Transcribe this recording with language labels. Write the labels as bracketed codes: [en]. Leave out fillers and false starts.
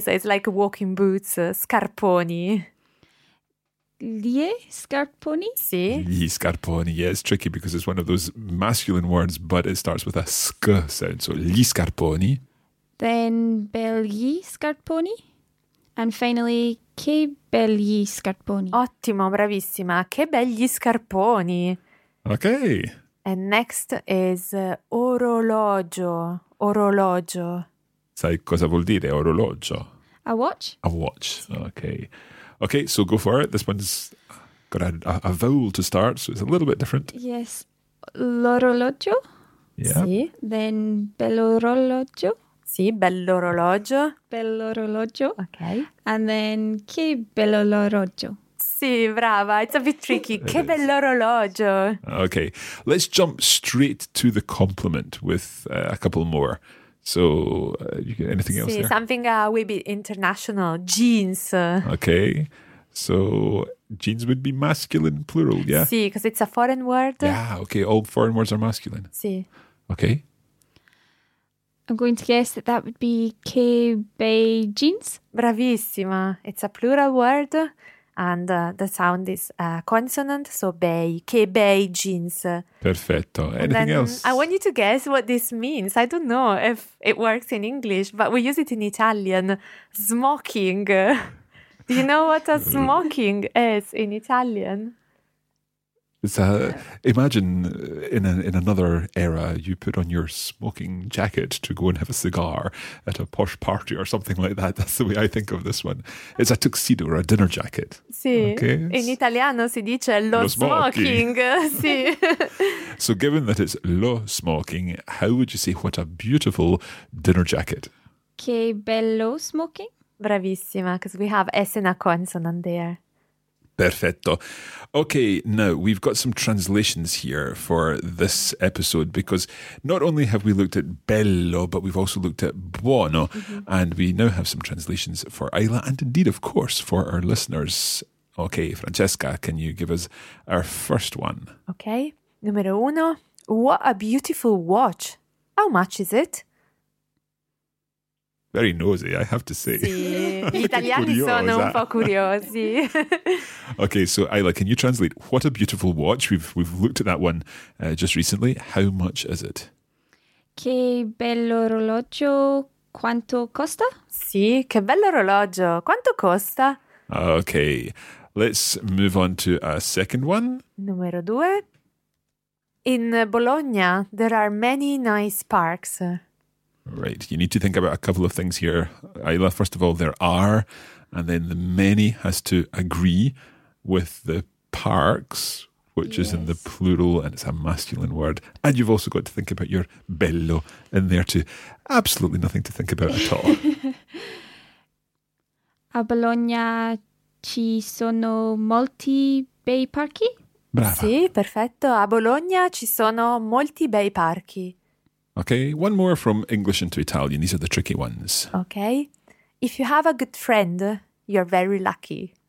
[en] so it's like walking boots, scarponi. [it] Gli scarponi? Sì. [en] Gli scarponi, yeah, it's tricky because it's one of those masculine words, but it starts with a sk sound, so gli scarponi. Then [it] belli scarponi. [en] And finally, [it] che belli scarponi. Ottimo, bravissima, che belli scarponi. [en] Okay. And next is orologio, orologio. [it] Sai cosa vuol dire orologio? [en] A watch. A watch, okay. Okay, so go for it. This one's got a vowel to start, so it's a little bit different. Yes, l'orologio. Yeah. [it] Sì. [en] Then bell'orologio. [it] Sì, bell'orologio. Bell'orologio. [en] Okay. And then [it] che bell'orologio. Sì, brava. [en] It's a bit tricky. [it] Che bell'orologio. [en] Okay, let's jump straight to the compliment with a couple more. So, you get anything else? [it] Sì, [en] there? Something a wee bit international. Jeans. Okay. So, jeans would be masculine plural, yeah? Sì, because it's a foreign word. Yeah, okay. All foreign words are masculine. [it] Sì. [en] Okay. I'm going to guess that that would be [it] che be jeans. [en] Bravissima. It's a plural word. And the sound is a consonant, so bei, [it] che bei jeans. [en] Perfetto. Anything else? I want you to guess what this means. I don't know if it works in English, but we use it in Italian. Smoking. Do you know what a smoking is in Italian? It's a, imagine in another era, you put on your smoking jacket to go and have a cigar at a posh party or something like that. That's the way I think of this one. It's a tuxedo or a dinner jacket. Sì, okay. [it] In italiano si dice lo smoking. Sì. [en] So given that it's lo smoking, how would you say what a beautiful dinner jacket? [it] Che bello smoking. [en] Bravissima, because we have S in a consonant there. [it] Perfetto. [en] Okay, now we've got some translations here for this episode because not only have we looked at bello, but we've also looked at buono. Mm-hmm. And we now have some translations for Ayla and indeed, of course, for our listeners. Okay, Francesca, can you give us our first one? Okay, [it] numero uno. [en] What a beautiful watch. How much is it? Very nosy, I have to say. [it] Sì. Gli italiani sono un po' curiosi. [en] Okay, so Ayla, can you translate? What a beautiful watch. We've looked at that one just recently. How much is it? [it] Che bell'orologio, quanto costa? Sì, che bello orologio. Quanto costa? [en] Okay, let's move on to a second one. [it] Numero due. [en] In Bologna, there are many nice parks. Right, you need to think about a couple of things here, Ayla. First of all, there are, and then the many has to agree with the parks, which is in the plural, and it's a masculine word. And you've also got to think about your bello in there too. Absolutely nothing to think about at all. [it] A Bologna ci sono molti bei parchi? Brava. Sì, perfetto. A Bologna ci sono molti bei parchi. [en] Okay, one more from English into Italian. These are the tricky ones. Okay. If you have a good friend, you're very lucky.